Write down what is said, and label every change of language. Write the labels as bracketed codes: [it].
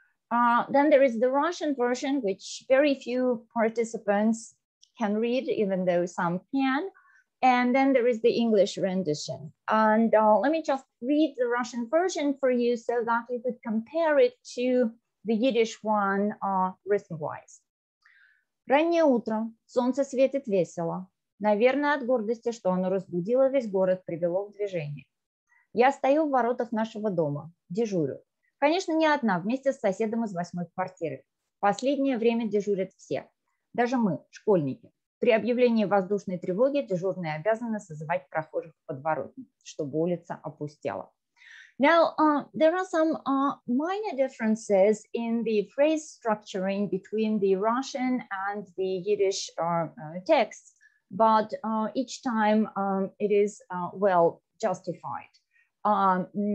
[en] Then there is the Russian version, which very few participants can read, even though some can. And then there is the English rendition. And let me just read the Russian version for you so that you could compare it to the Yiddish one rhythm-wise. [ru] Раннее утро, солнце светит весело. Наверное, от гордости, что оно разбудило весь город, привело в движение. Я стою в воротах нашего дома, дежурю. Конечно, не одна, вместе с соседом из восьмой квартиры. Последнее время дежурят все. Даже мы, школьники. При объявлении воздушной тревоги дежурные обязаны созывать прохожих в подворотне, чтобы улица опустела. [en] Now, there are some minor differences in the phrase structuring between the Russian and the Yiddish texts, but each time it is well justified.